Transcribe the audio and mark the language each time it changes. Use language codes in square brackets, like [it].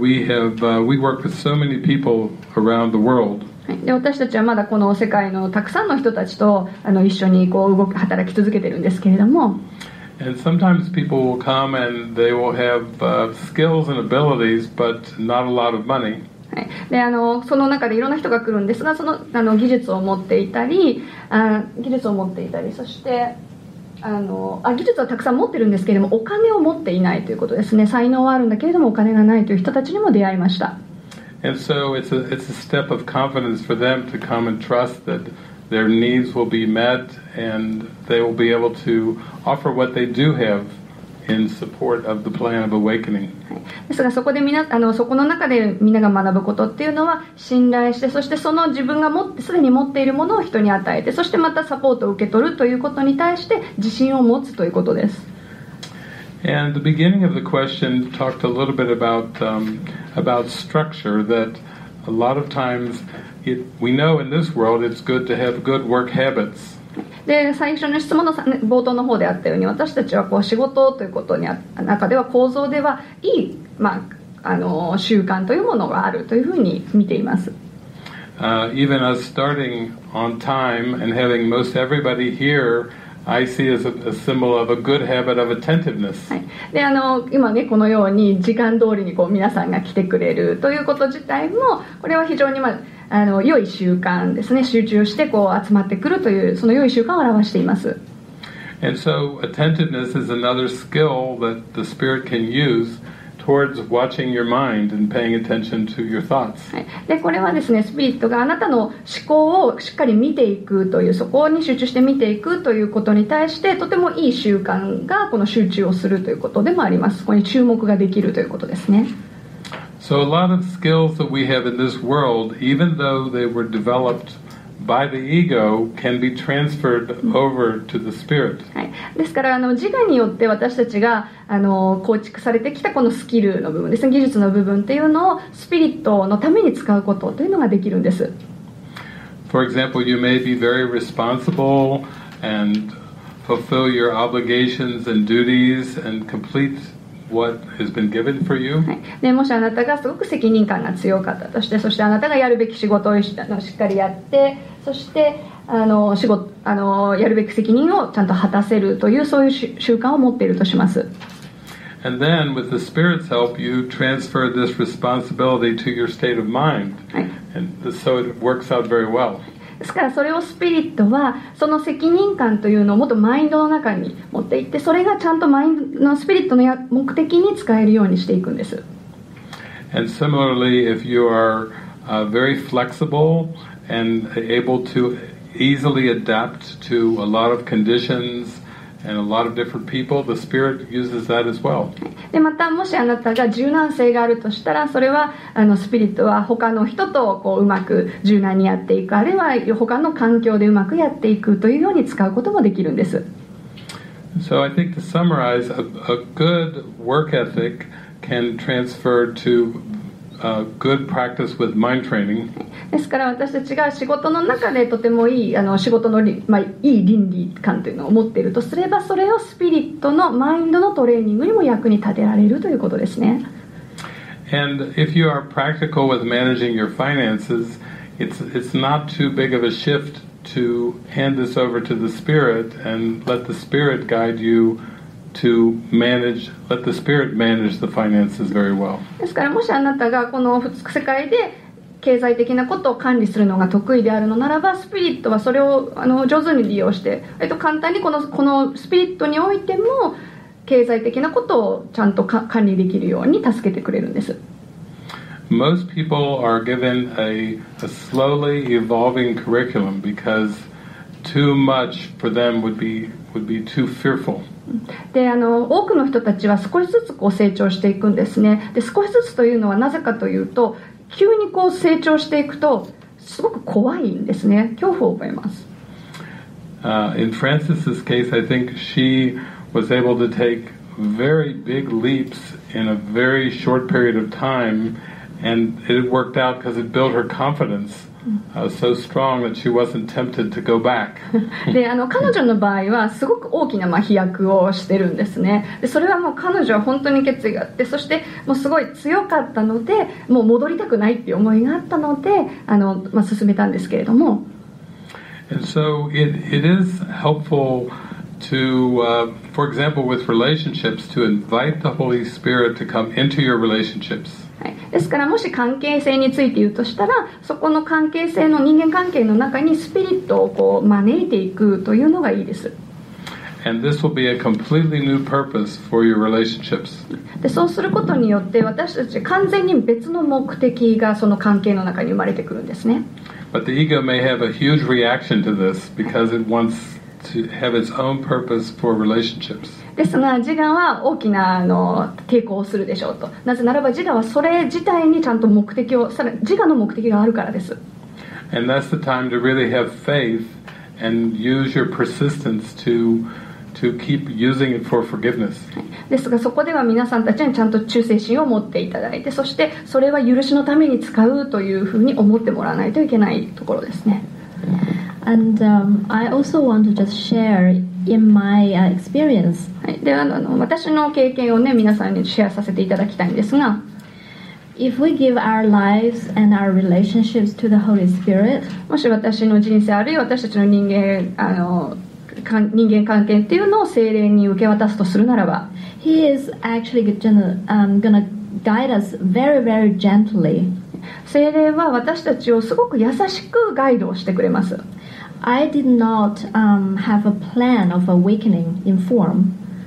[en] We have、we work with so many people around the world. [ja] で、私たちはまだこの世界のたくさんの人たちとあの一緒にこう動き働き続けてるんですけれども。 [en] And sometimes people will come and they will have、skills and abilities, but not a lot of money. [ja] で、あの、その中でいろんな人が来るんですが、その、あの、技術を持っていたり、あ、技術を持っていたり、そして。あの、あ、技術はたくさん持ってるんですけれども、お金を持っていないということですね。才能はあるんだけれどもお金がないという人たちにも出会いました。で、まあ、ですが、そこでみな、あの、そこの中でみんなが学ぶことっていうのは、信頼して、そしてその自分がすでに持っているものを人に与えて、そしてまたサポートを受け取るということに対して自信を持つということです。 [en] And the beginning of the question talked a little bit about structure, that a lot of times it, we know in this world it's good to have good work habits. [ja] で、最初の質問の冒頭の方であったように、私たちはこう仕事ということに中では、構造ではいい、まあ、あの、習慣というものがあるというふうに見ています。 [en] Even us starting on time and having most everybody here, I see as a symbol of a good habit of attentiveness.、 [ja] はい、で、あの、今ね、このように時間通りにこう皆さんが来てくれるということ自体も、これは非常に、まあ、あの、良い習慣ですね。集中してこう集まってくるという、その良い習慣を表しています。 [en] And so attentiveness is another skill that the spirit can use towards watching your mind and paying attention to your thoughts、 [ja] はい、で、これはですね、スピリットがあなたの思考をしっかり見ていくという、そこに集中して見ていくということに対して、とても良い習慣が、この集中をするということでもあります。そこに注目ができるということですね。 [en] So a lot of skills that we have in this world, even though they were developed by the ego, can be transferred over to the spirit.、 [ja] はい、ですから、あの、自我によって私たちが、あの、構築されてきたこのスキルの部分ですね、技術の部分っていうのをスピリットのために使うことというのができるんです。 [en] For example, you may be very responsible and fulfill your obligations and duties and complete. What has been given for you? [ja] はい、で、もしあなたがすごく責任感が強かったとして、そしてあなたがやるべき仕事をしっかりやって、そして、あの、仕事、あの、やるべき責任をちゃんと果たせるという、そういう習慣を持っているとします。 [en] And then with the spirit's help, you transfer this responsibility to your state of mind、はい、 And so it works out very well。 [ja] ですから、それをスピリットはその責任感というのをもっとマインドの中に持っていって、それがちゃんとマインドのスピリットの目的に使えるようにしていくんです。 [en] And similarly, if you are very flexible and able to easily adapt to a lot of conditions. And a lot of different people, the spirit uses that as well. [ja] で、またもしあなたが柔軟性があるとしたら、それは、あの、スピリットは他の人とこううまく柔軟にやっていく、あるいは他の環境でうまくやっていくというように使うこともできるんです。 [en] So I think to summarize, a good work ethic can transfer to a good practice with mind training. [ja] ですから、私たちが仕事の中でとてもいい、あの、仕事の、まあ、いい倫理観というのを持っているとすれば、それをスピリットのマインドのトレーニングにも役に立てられるということですね。 [en] And if you are practical with managing your finances, it's not too big of a shift to hand this over to the spirit and let the spirit guide youTo manage, let the spirit manage the finances very well. [ja] ですから、もしあなたがこの世界で経済的なことを管理するのが得意であるのならば、スピリットはそれを、あの、上手に利用して、簡単にこのスピリットにおいても経済的なことをちゃんと管理できるように助けてくれるんです。 [en] Most people are given a slowly evolving curriculum because too much for them would be too fearful. [ja] で、あの、多くの人たちは少しずつこう成長していくんですね。で、少しずつというのはなぜかというと、急にこう成長していくとすごく怖いんですね。恐怖を覚えます。 [en] In Francis's case, I think she was able to take very big leaps in a very short period of time, and it worked out because it built her confidence. So strong that she wasn't tempted to go back. [ja] で、あの、彼女の場合はすごく大きな、まあ、飛躍をしてるんですね。で、それはもう彼女は本当に決意があって、そしてもうすごい強かったので、もう戻りたくないっていう思いがあったので、あの、まあ、進めたんですけれども。 [en] And so it is helpful to, for example, with relationships, to invite the Holy Spirit to come into your relationships. [ja] ですから、もし関係性について言うとしたら、そこの関係性の、人間関係の中にスピリットをこう招いていくというのがいいです。 [en] And this will be a completely new purpose for your relationships. [ja] で、そうすることによって、私たち完全に別の目的がその関係の中に生まれてくるんですね。 [en] But the ego may have a huge reaction to this because it wants to have its own purpose for relationships. [ja] ですが、自我は大きな、あの、抵抗をするでしょうと。なぜならば、自我はそれ自体にちゃんと目的を、さらに自我の目的があるからです。 [en] And that's the time to really have faith and use your persistence to keep using it for forgiveness. [ja] ですが、そこでは皆さんたちにちゃんと忠誠心を持っていただいて、そしてそれは許しのために使うというふうに思ってもらわないといけないところですね。 [en] And I also want to just share in my experience. [ja] はい、で、あの、私の経験をね、皆さんにシェアさせていただきたいんですが、 [en] If we give our lives and our relationships to the Holy Spirit, [ja] もし私の人生あるいは私たちの人間、あの、人間関係っていうのを聖霊に受け渡すとするならば、 [en] He is actually gonna guide us very, very gently. [ja] 聖霊は私たちをすごく優しくガイドをしてくれます。 [en] I did not have a plan of awakening in form.